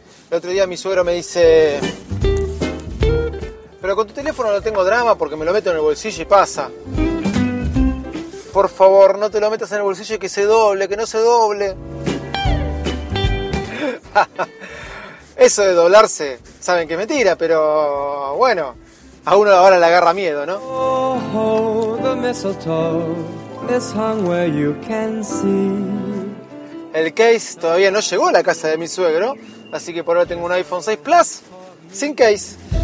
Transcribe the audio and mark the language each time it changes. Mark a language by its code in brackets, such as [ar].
[es] El otro día mi suegro me dice: pero con tu teléfono no tengo drama porque me lo meto en el bolsillo y pasa. Por favor, no te lo metas en el bolsillo y que no se doble. Eso de doblarse saben que es mentira, pero bueno, a uno ahora le agarra miedo, ¿no? [en] Oh, oh, the mistletoe is hung where you can see. [es] El case todavía no llegó a la casa de mi suegro, así que por ahora tengo un iPhone 6 Plus sin case.